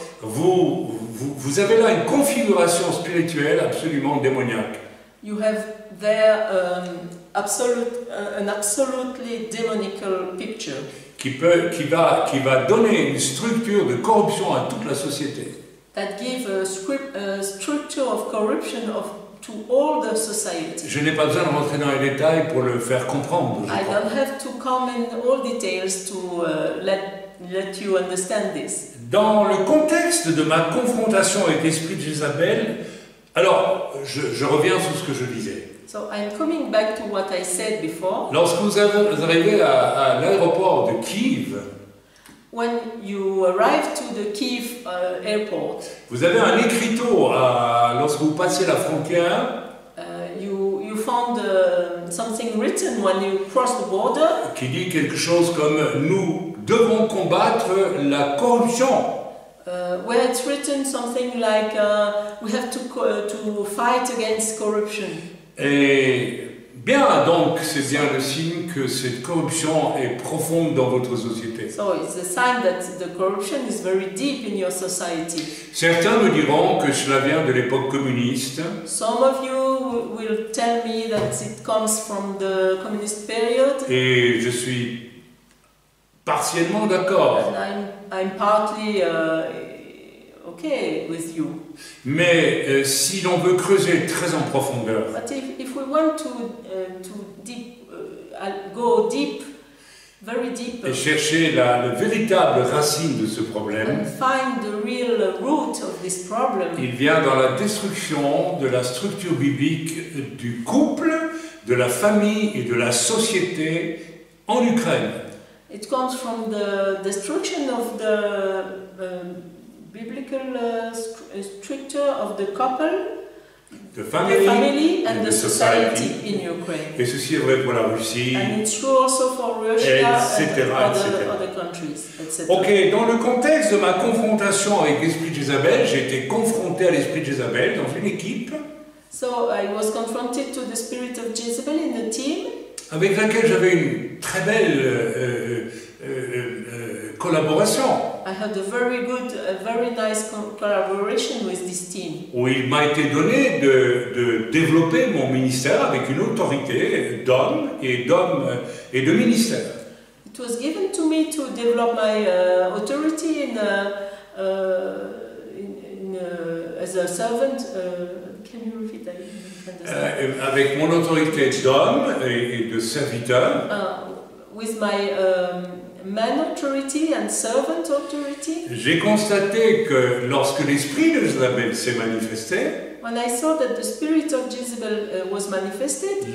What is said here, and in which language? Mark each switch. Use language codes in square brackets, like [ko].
[fr] Vous avez là une configuration spirituelle absolument démoniaque. [en] You have there an absolutely demonical picture. [fr] Qui va donner une structure de corruption à toute la société. [en] That give a structure of corruption of to all the society. [fr] Je n'ai pas besoin de rentrer dans les détails pour le faire comprendre. [en] I don't have to come in all details to let you understand this. [fr] Dans le contexte de ma confrontation avec l'esprit de Jézabel, alors je reviens sur ce que je disais. [en] So I'm coming back to what I said before. [fr] Lorsque vous arrivez à l'aéroport de Kiev. [en] When you arrive to the Kiev airport. [fr] Vous avez un écriteau lorsque vous passez la frontière. [en] You found something written when you cross the border. [fr] Qui dit quelque chose comme nous devons combattre la corruption. [en] Where it's written something like we have to fight against corruption. [fr] Et bien, donc, c'est bien le signe que cette corruption est profonde dans votre société. [en] So it's a sign that the corruption is very deep in your society. [fr] Certains me diront que cela vient de l'époque communiste. [en] Some of you will tell me that it comes from the communist period. [fr] Et je suis partiellement d'accord. [en] And I'm partly okay with you. [fr] Mais si l'on veut creuser très en profondeur, [en] but if we want to deep, go deep, very deep, [fr] et chercher la véritable racine de ce problème, [en] and find the real root of this problem, [fr] il vient dans la destruction de la structure biblique du couple, de la famille et de la société en Ukraine. [en] It comes from the destruction of the biblical structure of the couple, the family and the society in Ukraine. [fr] Et ceci est vrai pour la Russie, [en] and it's true also for Russia et cetera, and other countries, etc. [fr] Ok, dans le contexte de ma confrontation avec l'esprit de Jézabel, j'ai été confronté à l'esprit de Jézabel dans une équipe. [en] So I was confronted to the spirit of Jezebel in the team. [fr] Avec laquelle j'avais une très belle collaboration. [en] I had a very good, a very nice collaboration with this team. [fr] Où il m'a été donné de développer mon ministère avec une autorité d'homme et de ministère. [en] It It was given to me to develop my authority as a servant. Can you repeat that? [fr] Avec mon autorité d'homme et de serviteur. [en] With my man authority and servant authority. [fr] J'ai constaté que lorsque l'esprit de Jézabel s'est manifesté. [en] When I saw that the spirit of Jezebel was manifested.